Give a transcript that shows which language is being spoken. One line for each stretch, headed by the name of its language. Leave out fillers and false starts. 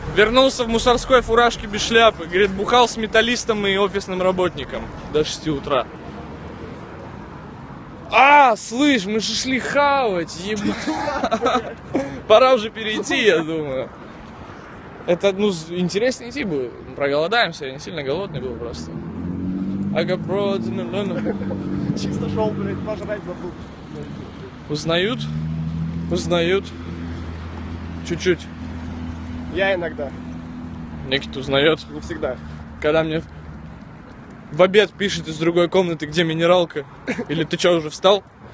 Russian: Вернулся в мусорской фуражке без шляпы. Говорит, бухал с металлистом и офисным работником до 6 утра. А, слышь, мы же шли хавать, ебать. Пора уже перейти, я думаю. Это, ну, интереснее идти бы. Проголодаемся, я не сильно голодный был просто.
English: I got brought in Atlanta.
Russian: Чисто шел, блядь, пожрать забыл. Узнают? Узнают. Чуть-чуть. Я иногда. Некит узнает? Не всегда. Когда мне в обед пишет из другой комнаты, где минералка? Или ты что, уже встал?